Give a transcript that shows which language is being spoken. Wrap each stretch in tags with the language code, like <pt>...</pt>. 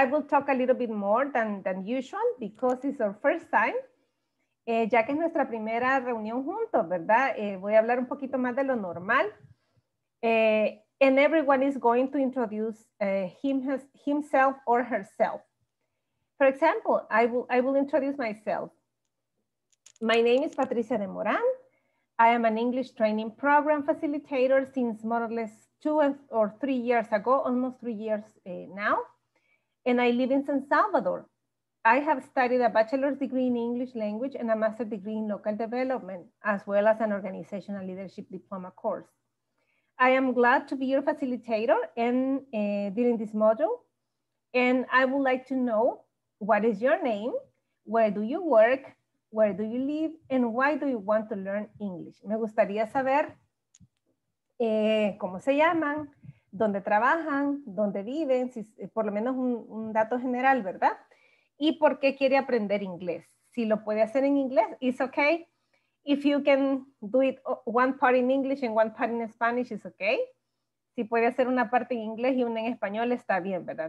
<en>I will talk a little bit more than usual because it's our first time.</en> <es>Ya que es nuestra primera reunión juntos, ¿verdad? Voy a hablar un poquito más de lo normal.</es> <en>And everyone is going to introduce himself or herself. For example, I will introduce myself. My name is Patricia de Moran. I am an English training program facilitator since more or less 2 or 3 years ago, almost 3 years now. And I live in San Salvador. I have studied a bachelor's degree in English language and a master's degree in local development, as well as an organizational leadership diploma course. I am glad to be your facilitator and during this module. And I would like to know, what is your name? Where do you work? Where do you live? And why do you want to learn English?</en> <es>Me gustaría saber cómo se llaman, dónde trabajan, dónde viven, si, por lo menos un dato general, ¿verdad? ¿Y por qué quiere aprender inglés? Si lo puede hacer en inglés,</es> <en>it's okay. If you can do it one part in English and one part in Spanish, it's okay.</en> <es>Si puede hacer una parte en inglés y una en español, está bien, ¿verdad?</es>